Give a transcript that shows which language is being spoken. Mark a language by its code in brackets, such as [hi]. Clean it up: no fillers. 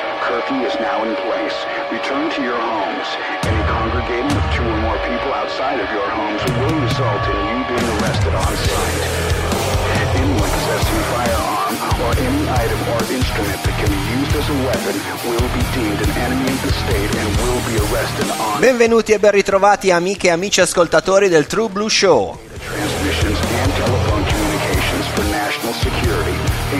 [en] Curfew is now in place. Return to your homes. Any congregating of two or more people outside of your homes will result in you being arrested on site. Anyone possessing a firearm or any item or instrument that can be used as a weapon will be deemed an enemy of the state and will be arrested on. [it] Benvenuti e ben ritrovati, amiche e amici ascoltatori del True Blue Show. [en] Transmissions and telephone communications for national security.